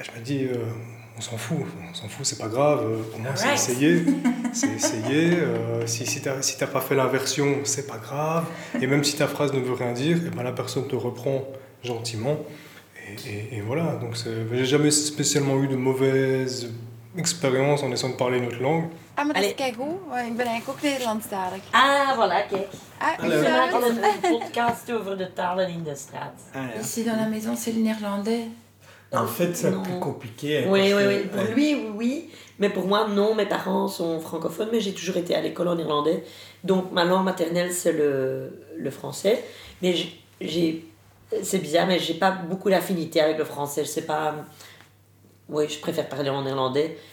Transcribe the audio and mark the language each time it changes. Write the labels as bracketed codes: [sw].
[fr] Je me dis « On s'en fout, c'est pas grave, pour moi c'est essayer. » C'est essayer, si t'as pas fait l'inversion, c'est pas grave. Et même si ta phrase ne veut rien dire, et ben la personne te reprend gentiment. Et voilà, donc j'ai jamais spécialement eu de mauvaise expérience en essayant de parler une autre langue. [nl] Ah, [fr] mais allez, [nl] kijk hoe, ik ben eigenlijk ook Nederlandstalig. [fr] Ah, voilà, [nl] kijk. Ah, we maken een podcast over de talen in de straat. Ah, ja. [fr] Ici, dans la maison, c'est le néerlandais. En fait, c'est plus compliqué. Pour lui, oui. Mais pour moi, non, mes parents sont francophones, mais j'ai toujours été à l'école en néerlandais. Donc, ma langue maternelle, c'est le français. Mais j'ai... C'est bizarre, mais j'ai pas beaucoup d'affinité avec le français. Je sais pas... Oui, je préfère parler en néerlandais.